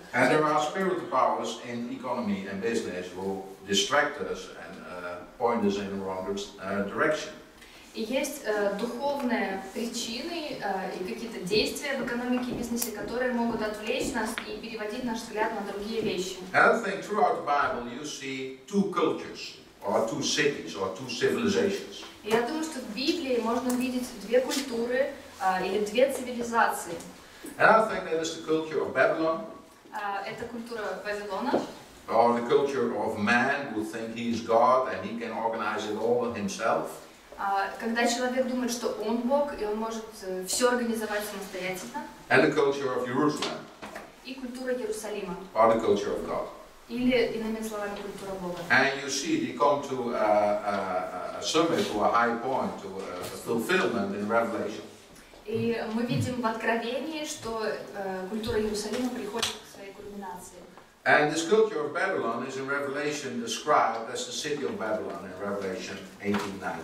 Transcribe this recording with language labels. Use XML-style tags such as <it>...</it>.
<en>And there are spiritual powers in economy and business who distract us and point us in the wrong direction.</en> <ru>И есть духовные причины и какие-то действия в экономике и бизнесе, которые могут отвлечь нас и переводить наш взгляд на другие вещи.</ru> <en>And I think throughout the Bible you see two cultures. Or two cities, or two civilizations.</en> <ru>Я думаю, что в Библии можно видеть две культуры или две цивилизации.</ru> <en>And I think that is the culture of Babylon.</en> <ru>Это культура Вавилона.</ru> <en>Or the culture of man who thinks he is God and he can organize it all himself.</en> <ru>Когда человек думает, что он Бог и он может все организовать самостоятельно.</ru> <en>And the culture of Jerusalem.</en> <ru>И культура Иерусалима.</ru> <en>Or the culture of God.</en> <ru>Или, иными словами, культура Бога.</ru> <en>And you see, they come to a summit or a high point, to a fulfillment in Revelation.</en> <ru>И мы видим в Откровении, что культура Иерусалима приходит к своей кульминации.</ru> <en>And this culture of Babylon is in Revelation described as the city of Babylon in Revelation 18:19.</en>